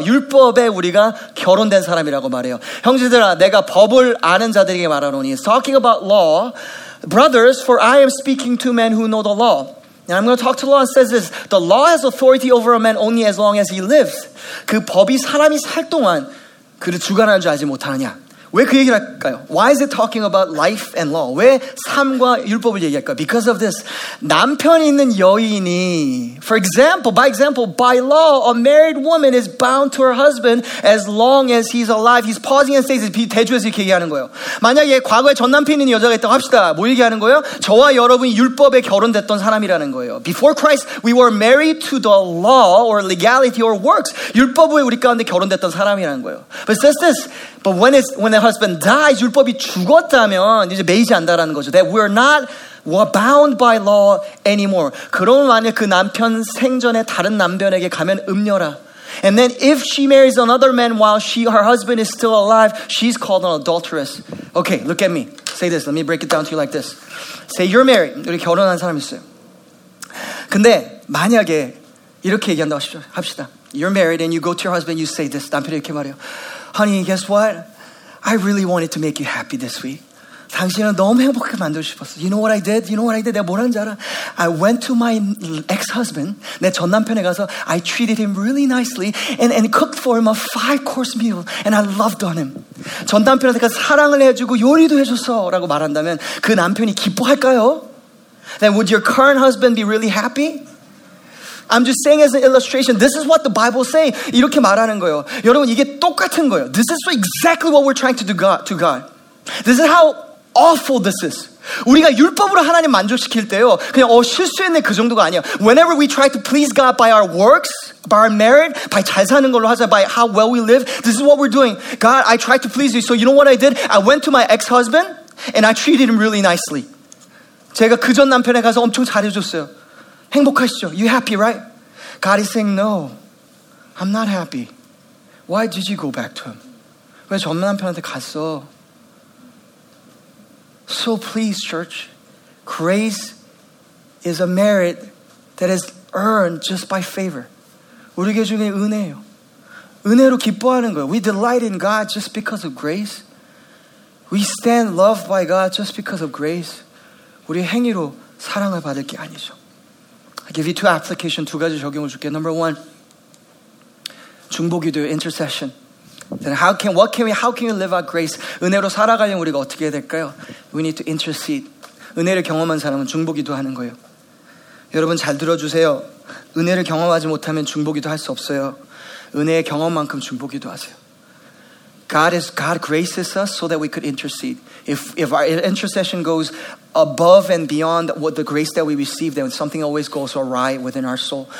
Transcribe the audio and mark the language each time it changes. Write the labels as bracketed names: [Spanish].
[Korean] 율법에 우리가 결혼된 사람이라고 말해요. 형제들아, 내가 법을 아는 자들에게 말하노니. [English] He's talking about law. Brothers, for I am speaking to men who know the law. And I'm going to talk to law and says this, the law has authority over a man only as long as he lives. [Korean] 그 법이 사람이 살 동안 그를 주관하는 줄 알지 못하느냐. 왜 그 얘기를 할까요? [English] Why is it talking about life and law? [Korean] 왜 삶과 율법을 얘기할까요? [English] Because of this. [Korean] 남편이 있는 여인이, [English] by example, by law, a married woman is bound to her husband as long as he's alive. He's pausing and saying, [Korean] 대주에서 이렇게 얘기하는 거예요. 만약에 과거에 전 남편이 있는 여자가 있다고 합시다. 뭐 얘기하는 거예요? 저와 여러분이 율법에 결혼됐던 사람이라는 거예요. [English] Before Christ, we were married to the law or legality or works. [Korean] 율법에 우리 가운데 결혼됐던 사람이라는 거예요. [English] But it says this. But when the husband dies, [Korean] 율법이 죽었다면 이제 매이지 않다라는 거죠. [English] That we're not bound by law anymore. [Korean] 그러면 만약 그 남편 생전에 다른 남편에게 가면 음녀라. [English] And then if she marries another man while her husband is still alive, she's called an adulteress. Okay, look at me. Say this. Let me break it down to you like this. Say you're married. [Korean] 우리 결혼한 사람 있어요. 근데 만약에 이렇게 얘기한다고 합시다. [English] You're married and you go to your husband, you say this. [Korean] 남편이 이렇게 말해요. [English] Honey, guess what? I really wanted to make you happy this week. [Korean] 당신을 너무 행복하게 만들고 싶었어. [English] You know what I did? You know what I did? [Korean] 내가 뭘 한지 알아? [English] I went to my ex-husband, [Korean] 내 전남편에 가서 [English] I treated him really nicely and cooked for him a five-course meal and I loved on him. [Korean] 전남편한테 가서 사랑을 해주고 요리도 해줬어 라고 말한다면 그 남편이 기뻐할까요? [English] Then would your current husband be really happy? I'm just saying as an illustration, this is what the Bible is saying. [Korean] 이렇게 말하는 거예요. 여러분, 이게 똑같은 거예요. [English] This is exactly what we're trying to do to God. This is how awful this is. [Korean] 우리가 율법으로 하나님 만족시킬 때요. 그냥 실수했네 그 정도가 아니야. [English] Whenever we try to please God by our works, by our merit, by [Korean] 잘 사는 걸로 하자, [English] by how well we live, this is what we're doing. God, I tried to please you. So you know what I did? I went to my ex-husband and I treated him really nicely. [Korean] 제가 그 전 남편에 가서 엄청 잘해줬어요. 행복하시죠? [English] You happy, right? God is saying, no, I'm not happy. Why did you go back to him? [Korean] 왜 전 남편한테 갔어? [English] So please, church, grace is a merit that is earned just by favor. [Korean] 우리에게 준 게 은혜예요. 은혜로 기뻐하는 거예요. [English] We delight in God just because of grace. We stand loved by God just because of grace. [Korean] 우리 행위로 사랑을 받을 게 아니죠. [English] I give you two applications, [Korean] 두 가지 적용을 줄게. [English] Number one, [Korean] 중보기도요, intercession. [English] Then how can we live out grace? [Korean] 은혜로 살아가려면 우리가 어떻게 해야 될까요? [English] We need to intercede. [Korean] 은혜를 경험한 사람은 중보기도 하는 거예요. 여러분 잘 들어주세요. 은혜를 경험하지 못하면 중보기도 할 수 없어요. 은혜의 경험만큼 중보기도 하세요. [English] God graces us so that we could intercede. If our intercession goes above and beyond what the grace that we receive, then something always goes awry within our soul.